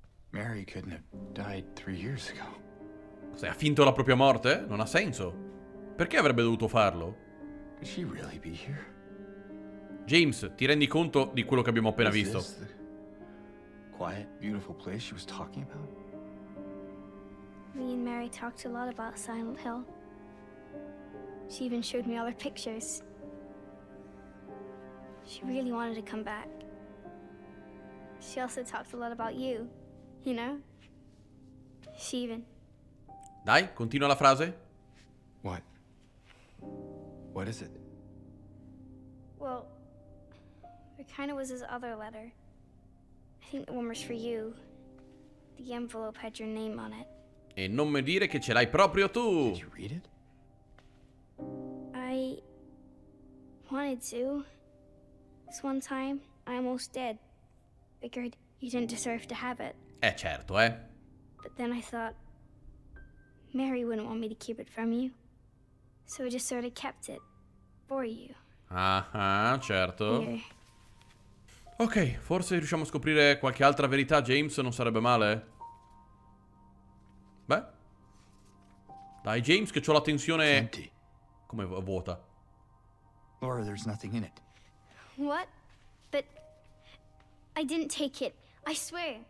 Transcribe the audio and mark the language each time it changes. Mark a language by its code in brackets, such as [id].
[en] Mary couldn't have died 3 years ago. [it] Cosa, ha finto la propria morte? Non ha senso. Perché avrebbe dovuto farlo? [en] She really be here? [it] James, ti rendi conto di quello che abbiamo appena visto? [en] quiet, beautiful place she was talking about? Me and Mary talked a lot about Silent Hill. She even showed me all her pictures. She really wanted to come back. She also talked a lot about you, you know? She even... [it] Dai, continua la frase. [en] What? What is it? Well, it kind of was his other letter. I think the one was for you. The envelope had your name on it. [it] E non mi dire che ce l'hai proprio tu! [en] Did you read it? I wanted to. This one time, I almost did. Figured you didn't deserve to have it. [it] Eh certo, eh. [en] But then I thought, Mary wouldn't want me to keep it from you. So I just sort of kept it for you. [it] Certo. Ok, forse riusciamo a scoprire qualche altra verità, James, non sarebbe male? Beh. Dai, James, che c'ho la tensione... Senti. Come vuota. [en] Laura, there's nothing in it. What? But I didn't take it. I swear.